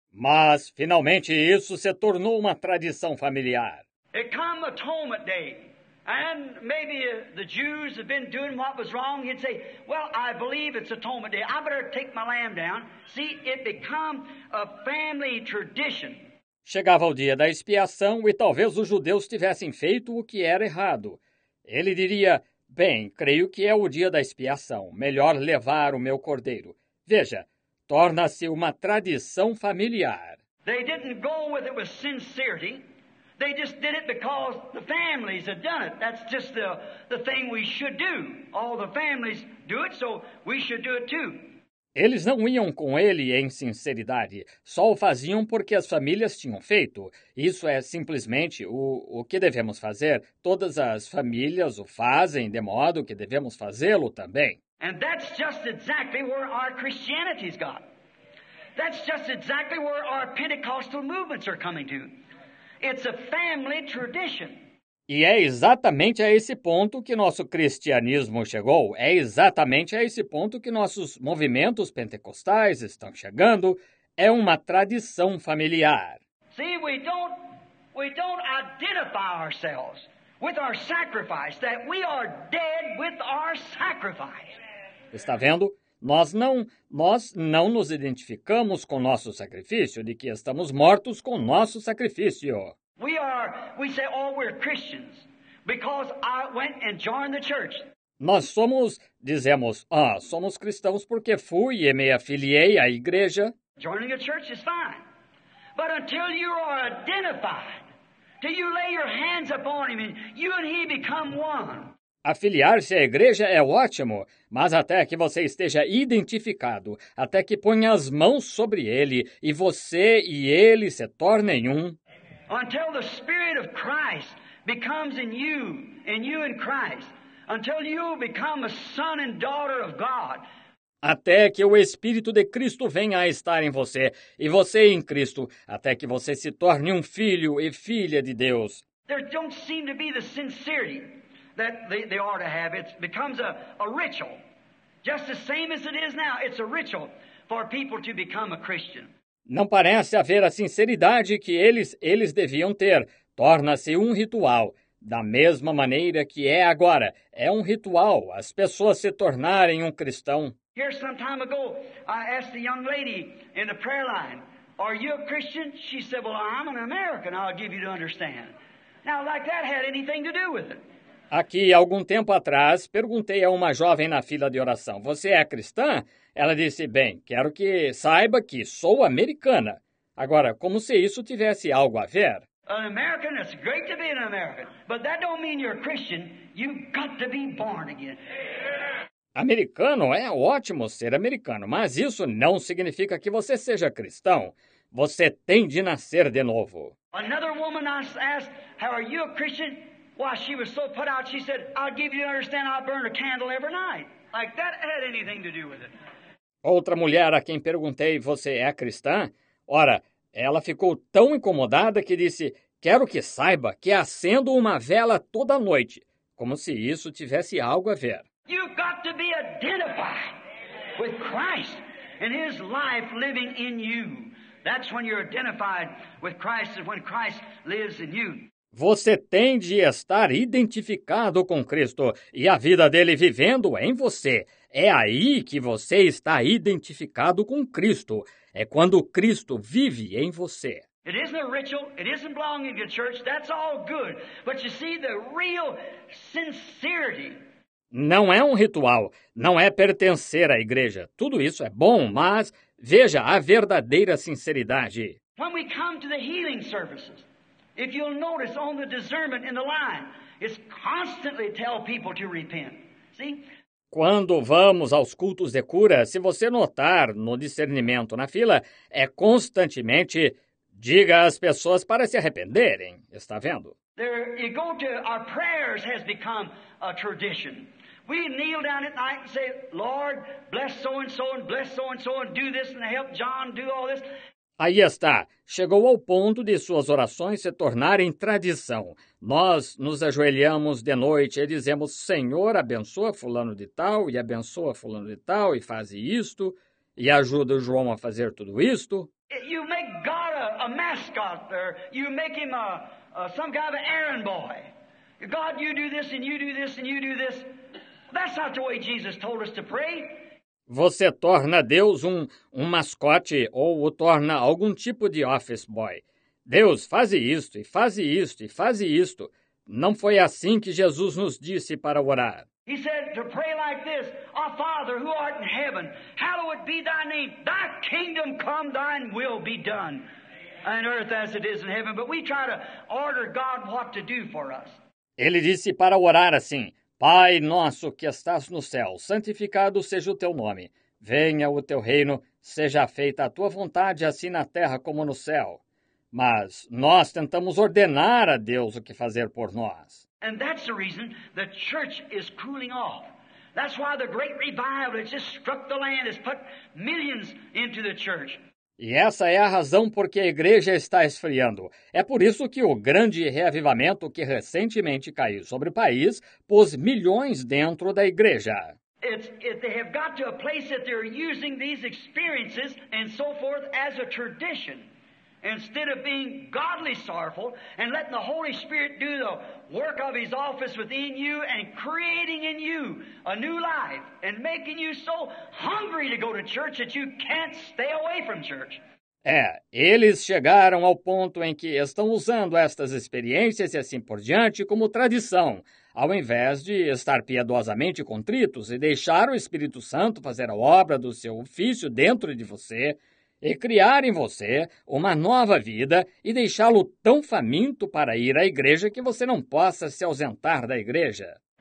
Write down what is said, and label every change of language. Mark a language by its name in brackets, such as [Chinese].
[Portuguese] Mas, finalmente, isso se tornou uma tradição familiar. [English] It came atonement day, and maybe the Jews have been doing what was wrong. He'd say, well, I believe it's atonement day. I better take my lamb down. See, it became a family tradition. [Portuguese] Chegava o dia da expiação e talvez os judeus tivessem feito o que era errado. Ele diria, bem, creio que é o dia da expiação. Melhor levar o meu cordeiro. Veja, torna-se uma tradição familiar. [English] They didn't go with it with sincerity. They just did it because the families had done it. That's just the thing we should do. All the families do it, so we should do it too. [Portuguese] Eles não iam com ele em sinceridade, só o faziam porque as famílias tinham feito. Isso é simplesmente o que devemos fazer. Todas as famílias o fazem de modo que devemos fazê-lo também. [English] And that's just exactly where our Christianity's got. That's just exactly where our Pentecostal movements are coming to. It's a family tradition. [Portuguese] E é exatamente a esse ponto que nosso cristianismo chegou. É exatamente a esse ponto que nossos movimentos pentecostais estão chegando. É uma tradição familiar. [English] See, we don't identify ourselves with our sacrifice, that we are dead with our sacrifice. [Portuguese] Está vendo? Nós não nos identificamos com nosso sacrifício, de que estamos mortos com nosso sacrifício. [English] We're Christians because I went and joined the church. [Portuguese] Nós somos, dizemos, ah, somos cristãos porque fui e me afiliei à igreja. [English] Joining a church is fine. But until you are identified, till you lay your hands upon him and you and he become one. [Portuguese] Afiliar-se à igreja é ótimo, mas até que você esteja identificado, até que ponha as mãos sobre ele e você e ele se tornem um. [English] Until the Spirit of Christ becomes in you, and you in Christ, until you become a son and daughter of God. [Portuguese] Até que o Espírito de Cristo venha a estar em você, e você em Cristo, até que você se torne um filho e filha de Deus. [English] There don't seem to be the sincerity that they are to have. It becomes a ritual. Just the same as it is now, it's a ritual for people to become a Christian. [Portuguese] Não parece haver a sinceridade que eles deviam ter. Torna-se um ritual, da mesma maneira que é agora. É um ritual, as pessoas se tornarem um cristão. [English] Here some time ago, I asked a young lady in the prayer line, are you a Christian? She said, well, I'm an American, I'll give you to understand. Now, like that had anything to do with it. [Portuguese] Aqui, algum tempo atrás, perguntei a uma jovem na fila de oração, você é cristã? Ela disse, bem, quero que saiba que sou americana. Agora, como se isso tivesse algo a ver? [English] An American, it's great to be an American, but that don't mean you're a Christian. You've got to be born again. [Portuguese] Americano é ótimo ser americano, mas isso não significa que você seja cristão. Você tem de nascer de novo. [English] Another woman asked, how are you a Christian? Why, she was so put out, she said, I'll give you to understand I burn a candle every night. Like that had anything to do with it. [Portuguese] Outra mulher a quem perguntei, você é cristã? Ora, ela ficou tão incomodada que disse, quero que saiba que acendo uma vela toda noite, como se isso tivesse algo a ver. [English] You've got to be identified with Christ and his life living in you. That's when you're identified with Christ, is when Christ lives in you. [Portuguese] Você tem de estar identificado com Cristo e a vida dele vivendo em você. É aí que você está identificado com Cristo. É quando Cristo vive em você. [English] It isn't a ritual. It isn't belonging to a church. That's all good. But you see, the real sincerity. [Portuguese] Não é um ritual. Não é pertencer à igreja. Tudo isso é bom, mas veja a verdadeira sinceridade. [English] When we come to the healing services, if you'll notice on the discernment in the line, it's constantly tell people to repent. See? [Portuguese] Quando vamos aos cultos de cura, se você notar no discernimento na fila, é constantemente diga às pessoas para se arrependerem. Está vendo? [English] There you go to our prayers has become a tradition. We kneel down at night and say, Lord, bless so and so and bless so and so and do this and help John do all this. [Portuguese] Aí está. Chegou ao ponto de suas orações se tornarem tradição. Nós nos ajoelhamos de noite e dizemos, Senhor, abençoa fulano de tal e abençoa fulano de tal e faz isto e ajuda o João a fazer tudo isto. [English] You make God a mascot, or you make him some kind of errand boy. God, you do this and you do this and you do this. That's not the way Jesus told us to pray. [Portuguese] Você torna Deus um mascote ou o torna algum tipo de office boy. Deus, faze isto e faze isto e faze isto. Não foi assim que Jesus nos disse para orar. [English] He said to pray like this, Our Father who art in heaven, hallowed be thy name. Thy kingdom come, thine will be done on earth as it is in heaven. But we try to order God what to do for us. [Portuguese] Ele disse para orar assim, Pai nosso que estás no céu, santificado seja o teu nome. Venha o teu reino, seja feita a tua vontade, assim na terra como no céu. Mas nós tentamos ordenar a Deus o que fazer por nós. [English] And that's the reason the church is cooling off. That's why the great revival that just struck the land has put millions into the church. [Portuguese] E essa é a razão porque a igreja está esfriando. É por isso que o grande reavivamento que recentemente caiu sobre o país pôs milhões dentro da igreja. [English] They have got to a place that they're using these experiences and so forth as a tradition. Instead of being godly sorrowful and letting the Holy Spirit do the work of His office within you and creating in you a new life and making you so hungry to go to church that you can't stay away from church. [Portuguese] É, eles chegaram ao ponto em que estão usando estas experiências e assim por diante como tradição, ao invés de estar piedosamente contritos e deixar o Espírito Santo fazer a obra do seu ofício dentro de você, e criar em você uma nova vida e deixá-lo tão faminto para ir à igreja que você não possa se ausentar da igreja.